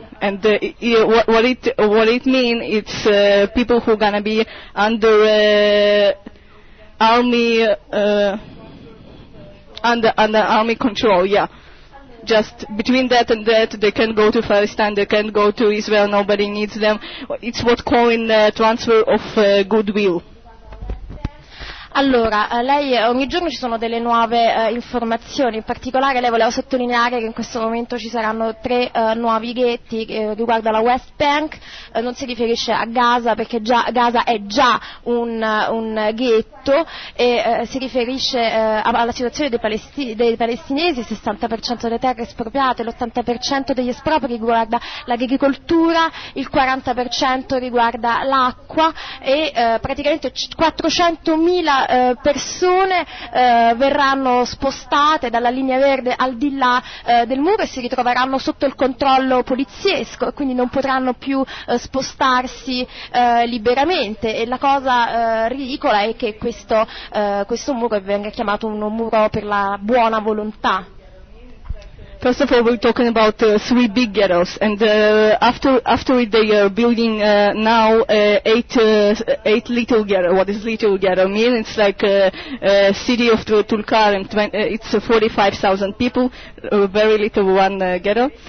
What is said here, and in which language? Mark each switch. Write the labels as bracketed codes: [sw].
[en] And what it means, it's people who gonna be under army control. Yeah. just between that and that, they can go to Palestine, they can go to Israel, nobody needs them. It's what calling transfer of goodwill. [it] Allora, lei ogni giorno ci sono delle nuove informazioni, in particolare lei voleva sottolineare che in questo momento ci saranno tre nuovi ghetti riguardo alla West Bank, non si riferisce a Gaza perché già, Gaza è già un ghetto e si riferisce alla situazione dei palestinesi, 60% delle terre espropriate, l'80% degli espropri riguarda l'agricoltura, il 40% riguarda l'acqua e praticamente 400.000 persone verranno spostate dalla linea verde al di là del muro e si ritroveranno sotto il controllo poliziesco e quindi non potranno più spostarsi liberamente e la cosa ridicola è che questo muro venga chiamato un muro per la buona volontà. [en] First of all, we're talking about three big ghettos, and after it, they are building now eight little ghettos. What is little ghetto mean? It's like a city of Tulkarem, it's 45,000 people, very little one ghetto.